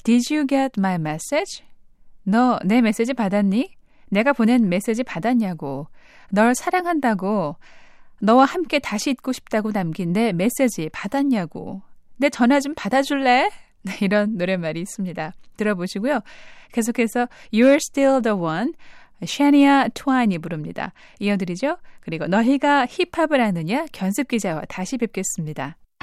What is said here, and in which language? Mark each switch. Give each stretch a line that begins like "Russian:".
English: Did you get my message?
Korean: 너 내 메시지 받았니? 내가 보낸 메시지 받았냐고. 널 사랑한다고 너와 함께 다시 있고 싶다고 남긴 내 메시지 받았냐고. 내 전화 좀 받아줄래? 이런 노래말이 있습니다. 들어보시고요. 계속해서 You're Still the One, Shania Twain이 부릅니다. 이어드리죠. 그리고 너희가 힙합을 아느냐? 견습 기자와 다시 뵙겠습니다.